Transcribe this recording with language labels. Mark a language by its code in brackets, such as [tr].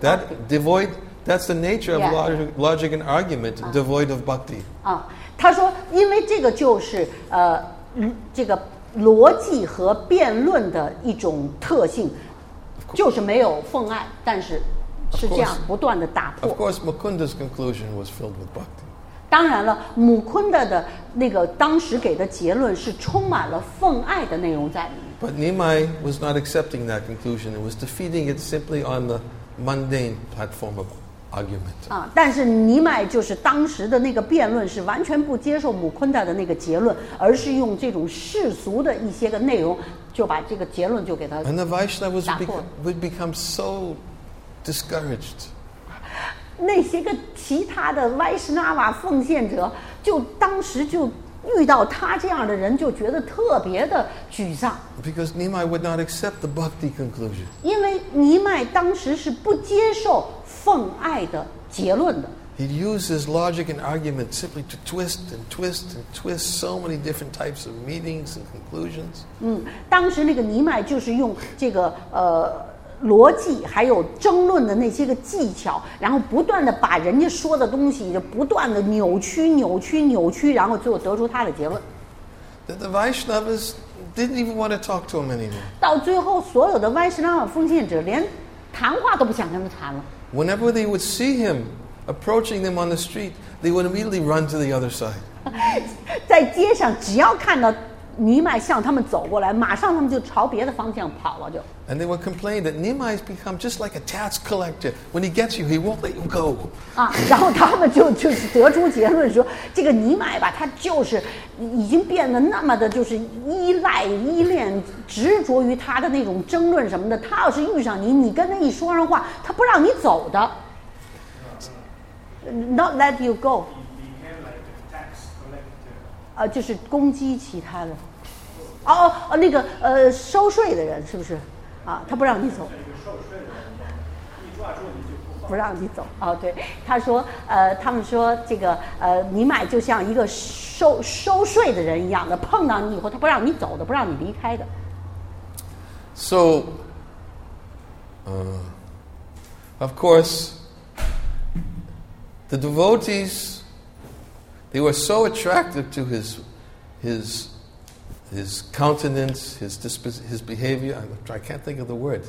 [en] bhakti. That's the nature of logic and argument devoid of bhakti. [zh] 他说因为这个就是这个逻辑和辩论的一种特性，就是没有奉爱，但是是这样不断的打破。 [en] Of course, Mukunda's conclusion was filled with bhakti. [zh] 当然了，姆昆德的那个当时给的结论是充满了奉爱的内容在里面。 [en] But Nimai was not accepting that conclusion. It was defeating it simply on the mundane platform of argument. [zh] 啊，但是尼麦就是当时的那个辩论是完全不接受姆昆德的那个结论，而是用这种世俗的一些个内容就把这个结论就给他打破。 [en] And the Vaishnavas would become so discouraged. [zh] 那些个其他的 Vaishnava 奉献者就当时就遇到他这样的人就觉得特别的沮丧。 [en] Because Nimai would not accept the bhakti conclusion. [zh] 因为尼麦当时是不接受奉爱的结论的。 [en] He uses logic and argument simply to twist and twist and twist so many different types of meanings and conclusions. [zh] 嗯，当时那个尼麦就是用这个逻辑还有争论的那些个技巧，然后不断的把人家说的东西就不断的扭曲扭曲扭曲，然后最后得出他的结论。 [en] The Vaishnavas didn't even want to talk to him anymore. [zh] 到最后所有的 Vaishnava 奉献者连谈话都不想跟他谈了。 [en] Whenever they would see him approaching them on the street, they would immediately run to the other side. [zh] 在街上只要看到尼麦向他们走过来，马上他们就朝别的方向跑了就。 [en] And they would complain that Nimai has become just like a tax collector. When he gets you, he won't let you go. [zh] 啊，然后他们就是得出结论说，这个尼麦吧，他就是已经变得那么的，就是依赖、依恋、执着于他的那种争论什么的。他要是遇上你，你跟他一说上话，他不让你走的。 [en] Not let you go. He became like a tax collector. [zh] 就是攻击其他的。哦哦，那个收税的人是不是？啊，他不让你走，不让你走。哦，对，他说，他们说这个，尼麦就像一个收税的人一样的，碰到你以后，他不让你走的，不让你离开的。 [en] So, of course, the devotees, they were so attracted to his countenance, his behavior. I can't think of the word.